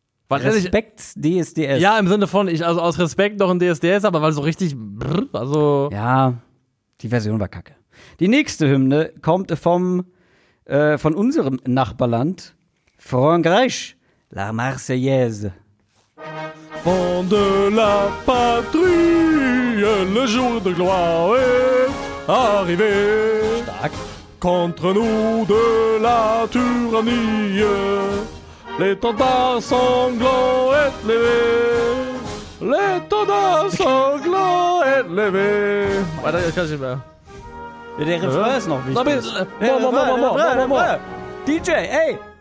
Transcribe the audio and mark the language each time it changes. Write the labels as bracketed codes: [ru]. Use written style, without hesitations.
[de] Respekts DSDS? Ja, im Sinne von, ich, also aus Respekt noch ein DSDS, aber weil so richtig, brr, also. Ja, die Version war kacke. Die nächste Hymne kommt von unserem Nachbarland, Frankreich. [fr] La Marseillaise. Vent de la patrie, le jour de gloire est arrivé. [de] Stark. [fr] Contre nous de la tyrannie, l'étendard sanglant est levé. L'étendard sanglant est levé. [de] Warte, ich kann nicht mehr. Ja, der Refrain ist noch wichtig. Moin. DJ, ey!